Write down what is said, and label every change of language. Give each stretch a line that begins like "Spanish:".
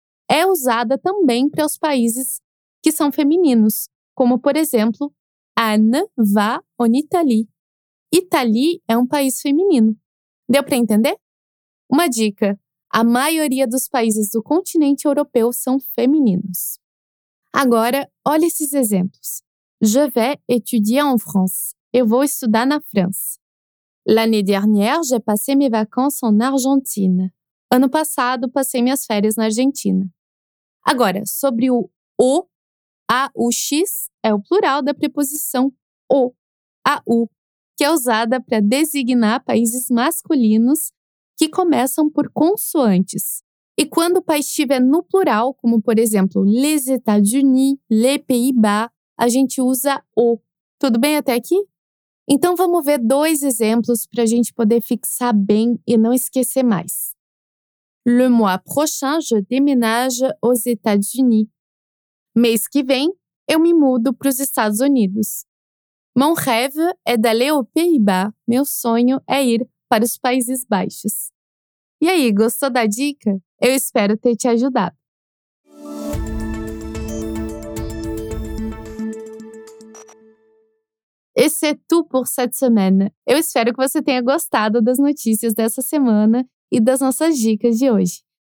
Portuguese: É usada também para os países que são femininos, como, por exemplo,
French: Anne va en Italie.
Portuguese: Italie é um país feminino. Deu para entender? Uma dica. A maioria dos países do continente europeu são femininos. Agora, olha esses exemplos.
French: Je vais étudier en France.
Portuguese: Eu vou estudar na França.
French: L'année dernière, j'ai passé mes vacances en Argentine.
Portuguese: Ano passado, passei minhas férias na Argentina. Agora, sobre o A, U, X é o plural da preposição O, A, U, que é usada para designar países masculinos que começam por consoantes. E quando o país estiver no plural, como por exemplo, les États-Unis, les Pays-Bas, a gente usa O. Tudo bem até aqui? Então vamos ver 2 exemplos para a gente poder fixar bem e não esquecer mais.
French: Le mois prochain, je déménage aux États-Unis.
Portuguese: Mês que vem, eu me mudo para os Estados Unidos.
French: Mon rêve est d'aller aux Pays-Bas.
Portuguese: Meu sonho é ir para os Países Baixos. E aí, gostou da dica? Eu espero ter te ajudado. Esse é tudo por
French: cette semaine.
Portuguese: Eu espero que você tenha gostado das notícias dessa semana e das nossas dicas de hoje.